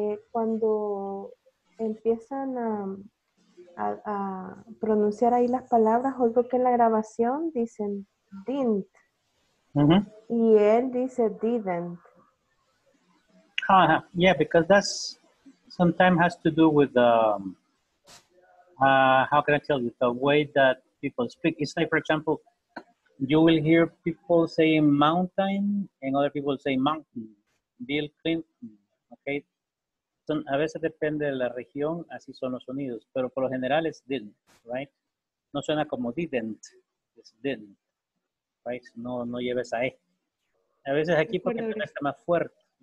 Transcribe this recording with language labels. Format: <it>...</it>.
<es>Cuando empiezan a pronunciar ahí las palabras, oigo que en la grabación dicen didn't. Y él dice didn't.</es> <en>Yeah, because that's sometimes has to do with how can I tell you, the way that people speak. It's like, for example, you will hear people say mountain and other people say mountain. Bill Clinton, okay?</en> <es>Son, a veces depende de la región, así son los sonidos, pero por lo general es didn't, right? No suena como didn't, es didn't, right? No, no lleva esa E. A veces aquí porque suena hasta más fuerte.</es>